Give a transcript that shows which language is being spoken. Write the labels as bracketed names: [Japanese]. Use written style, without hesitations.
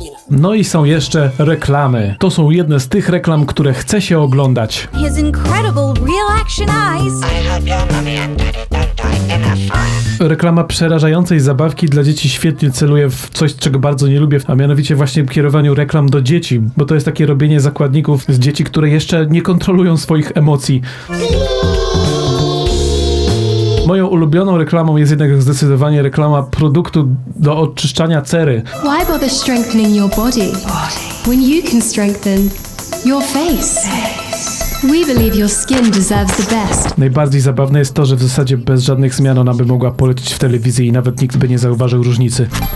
[Polish] No i są jeszcze reklamy. To są jedne z tych reklam, które chce się oglądać. [English] His incredible real action eyes. [Polish] Reklama przerażającej zabawki dla dzieci świetnie celuje w coś, czego bardzo nie lubię, a mianowicie właśnie kierowaniu reklam do dzieci, bo to jest takie robienie zakładników z dzieci, które jeszcze nie kontrolują swoich emocji. Moją ulubioną reklamą jest jednak zdecydowanie reklama produktu do odczyszczania cery. [English] Why bother strengthening your body when you can strengthen your face? We believe your skin deserves the best. [Polish] Najbardziej zabawne jest to, że w zasadzie bez żadnych zmian ona by mogła polecieć w telewizji i nawet nikt by nie zauważył różnicy.